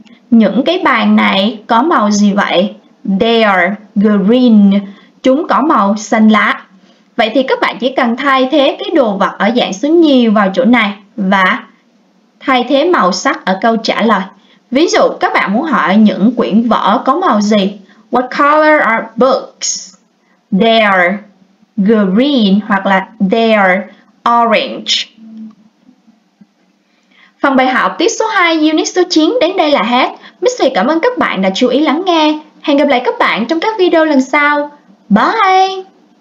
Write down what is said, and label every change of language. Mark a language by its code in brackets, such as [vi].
[vi] Những cái bàn này có màu gì vậy? [en] They are green. [vi] Chúng có màu xanh lá. Vậy thì các bạn chỉ cần thay thế cái đồ vật ở dạng số nhiều vào chỗ này và thay thế màu sắc ở câu trả lời. Ví dụ, các bạn muốn hỏi những quyển vở có màu gì? [en] What color are books? They are green [vi] hoặc là [en] they are orange. [vi] Phần bài học tiết số 2, unit số 9 đến đây là hết. Miss Thùy cảm ơn các bạn đã chú ý lắng nghe. Hẹn gặp lại các bạn trong các video lần sau. Bye!